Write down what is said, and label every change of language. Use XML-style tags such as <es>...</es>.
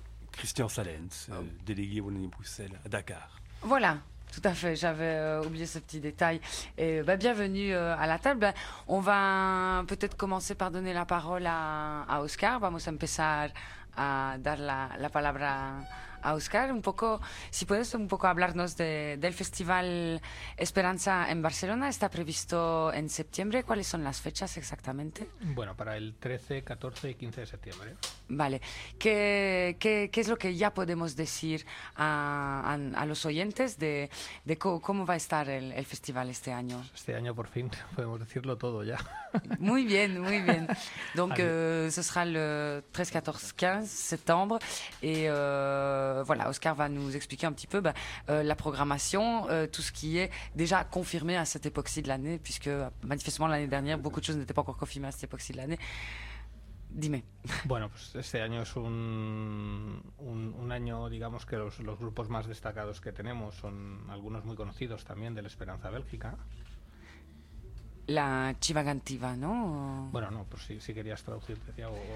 <fr>Christian Salens, délégué Wallonie Bruxelles à Dakar. Voilà. Tout à fait, j'avais oublié ce petit détail. Et, bienvenue à la table. On va peut-être commencer par donner la parole à Oscar.</fr> <es>Vamos a empezar a dar la palabra a Oscar. Un poco, si puedes un poco hablarnos del Festival Esperanza en Barcelona. Está previsto en septiembre. ¿Cuáles son las fechas exactamente? Bueno, para el 13, 14 y 15 de septiembre. Vale. ¿Qué es lo que ya podemos decir a los oyentes de cómo va a estar el festival este año? Este año por fin podemos decirlo todo ya.</es> <fr>Muy bien, muy bien. Donc, ce sera le 13, 14, 15 septembre. Et voilà, Oscar va nous expliquer un petit peu la programmation, tout ce qui est déjà confirmé à cette époque-ci de l'année, puisque manifestement l'année dernière, beaucoup de choses n'étaient pas encore confirmées à cette époque-ci de l'année.</fr> <es>Dime. Bueno, pues este año es un año, digamos, que los grupos más destacados que tenemos son algunos muy conocidos también de la Esperanza Bélgica. La Chivagantiva, ¿no? Bueno, no, pues sí querías traducir, decía.</es>